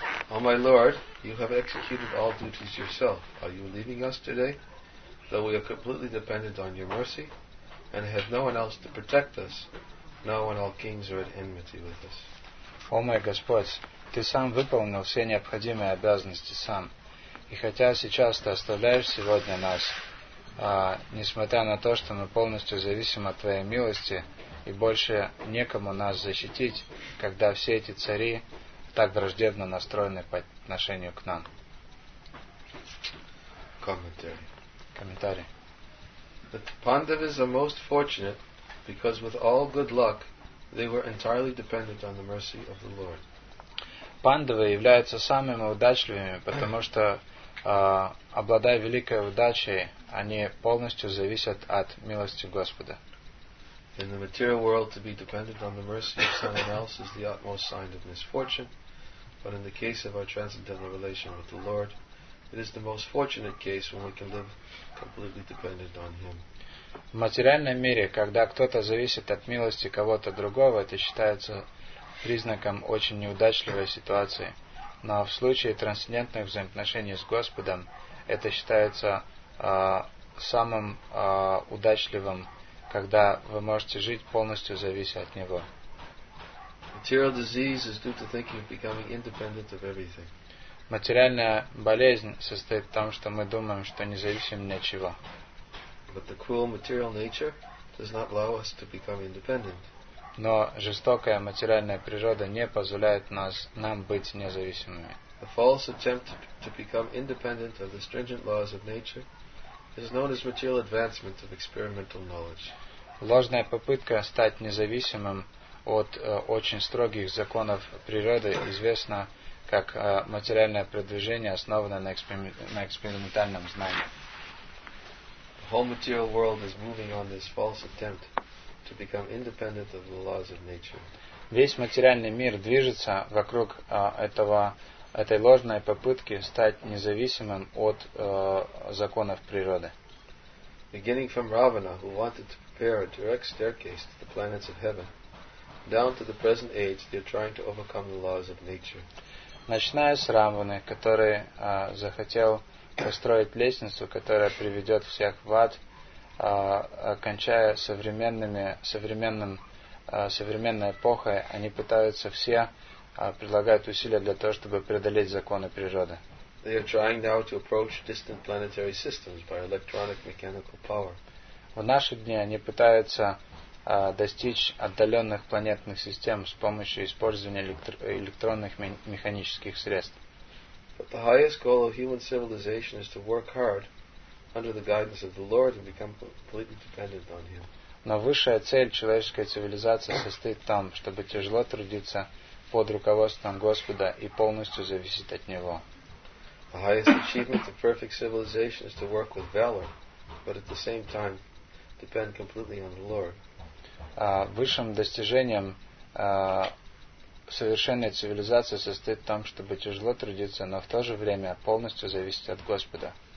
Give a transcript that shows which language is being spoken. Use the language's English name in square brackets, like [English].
[English] O my Lord, you have executed all duties yourself. Are you leaving us today? Though we are completely dependent on your mercy and have no one else to protect us, now when all kings are at enmity with us. [Russian] О мой Господь, Ты сам выполнил все необходимые обязанности сам. И хотя сейчас Ты оставляешь сегодня нас, несмотря на то, что мы полностью зависим от Твоей милости, и больше некому нас защитить, когда все эти цари так враждебно настроены по отношению к нам. Комментарий. [English] The Pandavas are most fortunate, because with all good luck, they were entirely dependent on the mercy of the Lord. [Russian] Пандавы являются самыми удачливыми, потому что обладая великой удачей, они полностью зависят от милости Господа. [English] In the material world, to be dependent on the mercy of someone else is the utmost sign of misfortune. But in the case of our transcendental relation with the Lord, it is the most fortunate case when we can live completely dependent on Him. [Russian] В материальном мире, когда кто-то зависит от милости кого-то другого, это считается признаком очень неудачливой ситуации. Но в случае трансцендентных взаимоотношений с Господом, это считается самым удачливым, когда вы можете жить полностью завися от Него. [English] Material disease is due to thinking of becoming independent of everything. [Russian] Материальная болезнь состоит в том, что мы думаем, что не зависим ни от чего. [English] But the cruel material nature does not allow us to become independent. [Russian] Но жестокая материальная природа не позволяет нам быть независимыми. [English] The false attempt to become independent of the stringent laws of nature is known as material advancement of experimental knowledge. [Russian] Ложная попытка стать независимым от очень строгих законов природы известна как материальное продвижение, основанное на экспериментальном знании. [English] The whole material world is moving on this false attempt to become independent of the laws of nature. [Russian] Весь материальный мир движется вокруг этой ложной попытки стать независимым от законов природы. [English] Beginning from Ravana, who wanted to prepare a direct staircase to the planets of heaven, down to the present age, they are trying to overcome the laws of nature. [Russian] Начиная с Раваны, который захотел построить лестницу, которая приведет всех в ад, кончая современной эпохой, они пытаются все прилагают усилия для того, чтобы преодолеть законы природы. [English] They are trying now to approach distant planetary systems by electronic mechanical power. [Russian] В наши дни они пытаются достичь отдаленных планетных систем с помощью использования электронных механических средств. [English] But the highest goal of human civilization is to work hard under the guidance of the Lord and become completely dependent on Him. [Russian] Но высшая цель человеческой цивилизации состоит в том, чтобы тяжело трудиться под руководством Господа и полностью зависеть от Него. [English] The highest achievement of perfect civilization is to work with valor, but at the same time depend completely on the Lord. [Russian] Высшим достижением совершенная цивилизация состоит в том, чтобы тяжело трудиться, но в то же время полностью зависеть от Господа.